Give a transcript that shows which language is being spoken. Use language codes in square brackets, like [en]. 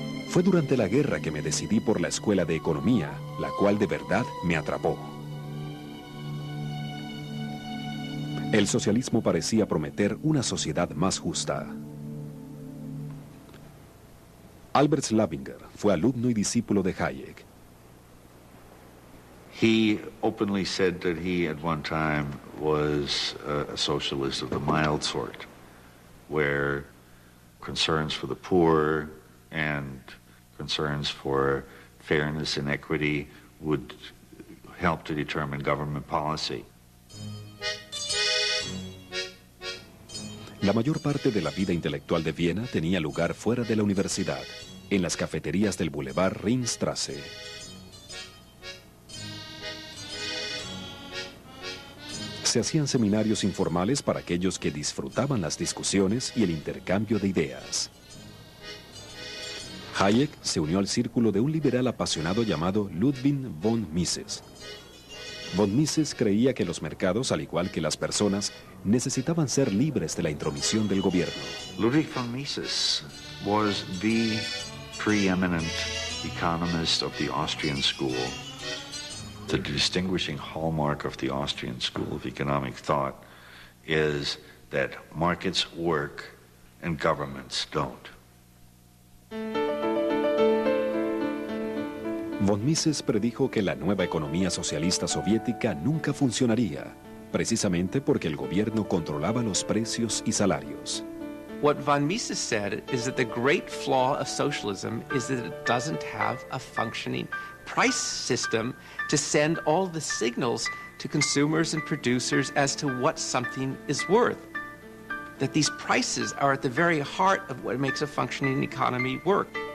[es] Fue durante la guerra que me decidí por la Escuela de Economía, la cual de verdad me atrapó. El socialismo parecía prometer una sociedad más justa. Albert Schlabinger fue alumno y discípulo de Hayek. [en] He openly said that he at one time was a socialist of the mild sort, where concerns for the poor and concerns for fairness and equity would help to determine government policy. [es] La mayor parte de la vida intelectual de Viena tenía lugar fuera de la universidad, en las cafeterías del Boulevard Ringstrasse. Se hacían seminarios informales para aquellos que disfrutaban las discusiones y el intercambio de ideas. Hayek se unió al círculo de un liberal apasionado llamado Ludwig von Mises. Von Mises creía que los mercados, al igual que las personas, necesitaban ser libres de la intromisión del gobierno. [en] Ludwig von Mises was the preeminent economist of the Austrian school. The distinguishing hallmark of the Austrian school of economic thought is that markets work and governments don't. [es] Von Mises predijo que la nueva economía socialista soviética nunca funcionaría, precisamente porque el gobierno controlaba los precios y salarios. [en] What von Mises said is that the great flaw of socialism is that it doesn't have a functioning price system to send all the signals to consumers and producers as to what something is worth. That these prices are at the very heart of what makes a functioning economy work.